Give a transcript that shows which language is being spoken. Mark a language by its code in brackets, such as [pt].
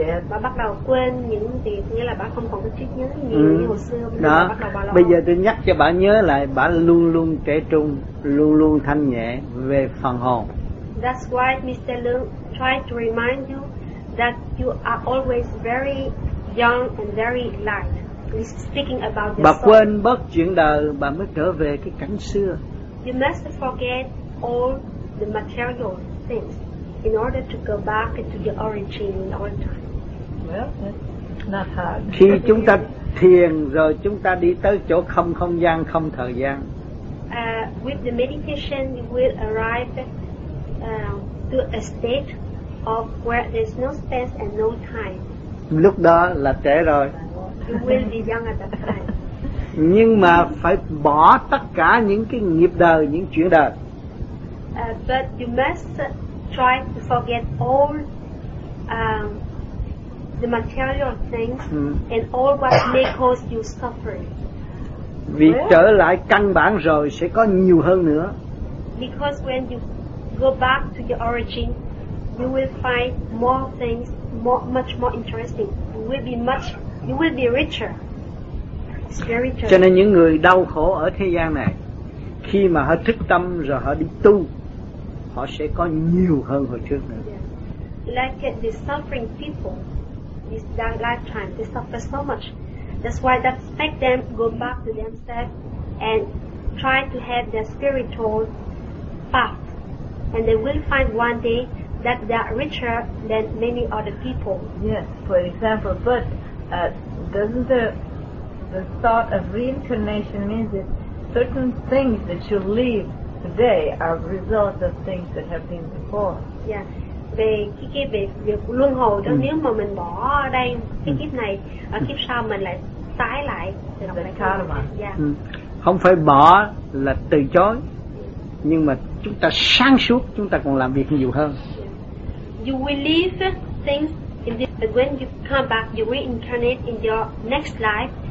[vi] Bà bắt đầu quên những việc, nghĩa là bà không còn cái trí nhớ nhiều như hồi xưa. Đó. Bà bắt đầu bây giờ tôi nhắc cho bà nhớ lại, bà luôn luôn trẻ trung, luôn luôn thanh nhẹ về phần hồn. [en] That's why Mr. Lương tried to remind you that you are always very young and very light. He's speaking about [vi] bà quên bớt chuyện đời, bà mới trở về cái cảnh xưa. [en] You must forget all the material things in order to go back to the origin in all time. Well, that's not hard. [vi] Khi chúng ta thiền rồi chúng ta đi tới chỗ không không gian, không thời gian. [en] With the meditation, you will arrive to a state of where there's no space and no time. [vi] Lúc đó là trễ rồi. [en] You will be young at that time. [vi] Nhưng mà phải bỏ tất cả những cái nghiệp đời, những chuyện đời. [en] But you must try to forget all the material things and all what may cause you suffering. [vi] Vì trở lại căn bản rồi sẽ có nhiều hơn nữa. [en] Because when you go back to your origin, you will find more things, much more interesting. You will be richer. [vi] Cho nên những người đau khổ ở thế gian này, khi mà họ thức tâm rồi họ đi tu, họ sẽ có nhiều hơn hồi trước nữa. [en] Like the suffering people, this lifetime, they suffer so much. That's why that make them go back to themselves and try to have their spiritual path. And they will find one day that they are richer than many other people. Yes, for example, but doesn't the thought of reincarnation means that certain things that you leave today are results of things that have been before? Yeah. [vi] Về cái việc luân hồi đó, nếu mà mình bỏ ở đây cái kiếp này, ở kiếp sau mình lại tái lại thì nó không phải. Không phải bỏ là từ chối, nhưng mà chúng ta sáng suốt, chúng ta còn làm việc nhiều hơn. [en] You will leave things in this, but when you come back, you reincarnate in your next life.